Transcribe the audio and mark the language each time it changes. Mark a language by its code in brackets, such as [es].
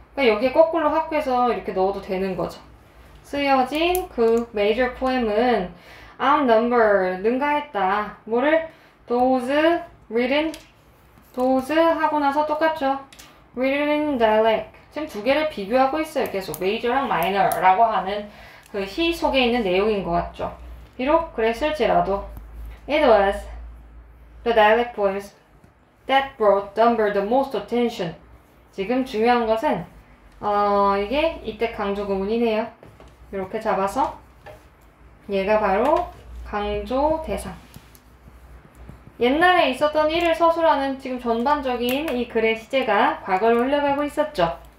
[ko] 그러니까 여기에 거꾸로 합해서 이렇게 넣어도 되는 거죠. 쓰여진 그 major poem은 outnumber, 능가했다. 뭐를? [en] those written, those [ko] 하고 나서 똑같죠. [en] written in dialect. [ko] 지금 두 개를 비교하고 있어요. 계속 major랑 minor라고 하는 그시 속에 있는 내용인 것 같죠. 비록 그랬을지라도 [en] It was the dialect poems that brought Dunbar the most attention. [ko] 지금 중요한 것은 이게 이때 강조구문이네요. 이렇게 잡아서 얘가 바로 강조 대상. 옛날에 있었던 일을 서술하는 지금 전반적인 이 글의 시제가 과거로 흘러가고 있었죠.